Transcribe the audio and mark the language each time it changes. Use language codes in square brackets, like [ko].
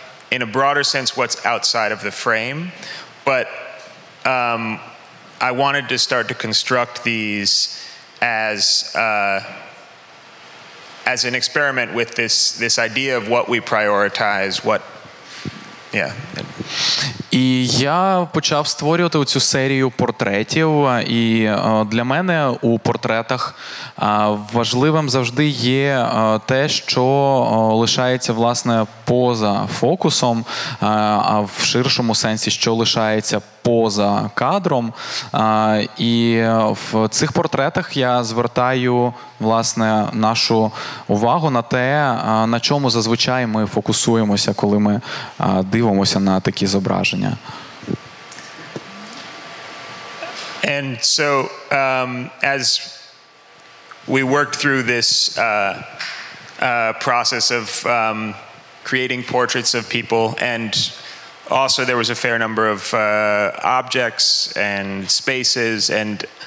[en] In a broader sense, what's outside of the frame, but I wanted to start to construct these as an experiment with this idea of what we prioritize, what Yeah. [uk] І я почав створювати цю серію портретів, і для мене у портретах важливим завжди є те, що лишається, власне, поза фокусом, а в ширшому сенсі, що лишається поза кадром. І в цих портретах я звертаю, власне, нашу увагу на те, на чому зазвичай ми фокусуємося, коли ми дивимося на такі зображення. [en] And so, as we worked through this process of creating portraits of people, and also there was a fair number of objects and spaces and